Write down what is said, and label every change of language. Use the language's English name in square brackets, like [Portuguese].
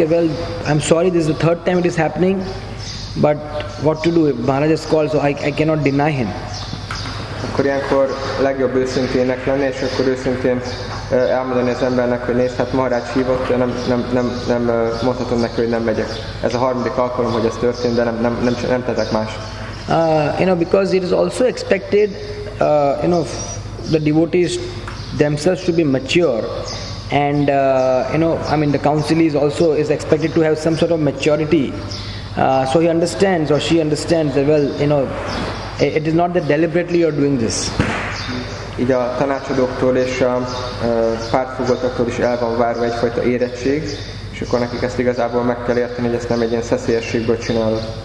[English] Okay, well, I'm sorry, this is the third time it is happening, but what to do? If Maharaj has called, so I cannot deny him. [Hungarian] Akkor ilyenkor legjobb őszintének lenni, és akkor őszintén elmondani az embernek, hogy nézd, hát Maharaj hívott, nem mondhatom neki, hogy nem megyek. Ez a harmadik alkalom, hogy ez történt, de nem tettek más. [English] You know, because it is also expected, you know, the devotees themselves should be mature. And, you know, I mean, the counselee is also expected to have some sort of maturity. So he understands, or she understands that, well, you know, it is not that deliberately you are doing this. [Hungarian] Így a tanácsadóktól és a pártfogottaktól is el van várva egyfajta érettség, és akkor nekik ezt igazából meg kell érteni, hogy ezt nem egy ilyen szeszélyességből csinálod.